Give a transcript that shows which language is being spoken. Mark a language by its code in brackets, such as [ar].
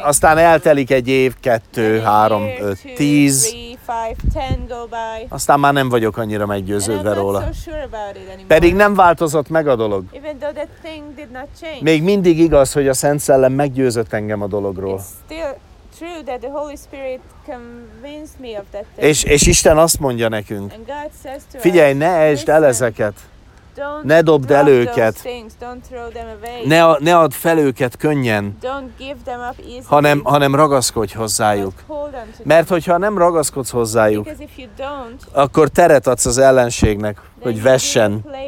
[hu] aztán eltelik egy év, kettő, [en] and [hu] három, öt, tíz. [en] Three, five, ten go by. [hu] Aztán már nem vagyok annyira meggyőződve róla. [en] So sure about it anymore. [hu] Pedig nem változott meg a dolog. [en] Even though that thing did not change. [hu] Még mindig igaz, hogy a Szent Szellem meggyőzött engem a dologról. [en] True that the Holy Spirit convinced me of that thing. [hu] És Isten azt mondja nekünk. [en] And God says to [hu] figyelj, [en] us, [hu] ne esd el ezeket. [en] Don't [hu] ne dobd el őket. [en] Things, don't throw them away. [hu] Ne add fel őket könnyen. [en] Don't give them up easily. [hu] Hanem ragaszkodj hozzájuk. Mert hogyha nem ragaszkodsz hozzájuk, akkor teret adsz az ellenségnek, hogy vessen.